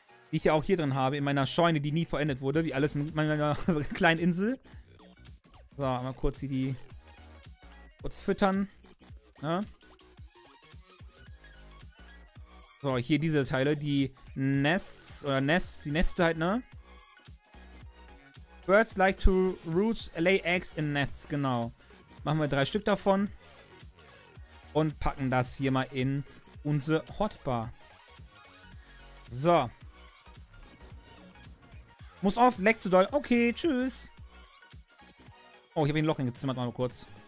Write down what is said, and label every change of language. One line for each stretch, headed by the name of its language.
German: Die ich ja auch hier drin habe, in meiner Scheune, die nie verendet wurde, wie alles in meiner kleinen Insel. So, mal kurz hier die kurz füttern. Ne? So, hier diese Teile, die Nests oder Nests, die Neste halt, ne?
English: Birds like to root lay eggs in nests, genau.
German: Machen wir 3 Stück davon. Und packen das hier mal in unsere Hotbar. So. Muss auf, leckt zu doll. Okay, tschüss. Oh, ich habe ein Loch hingezimmert, mal kurz.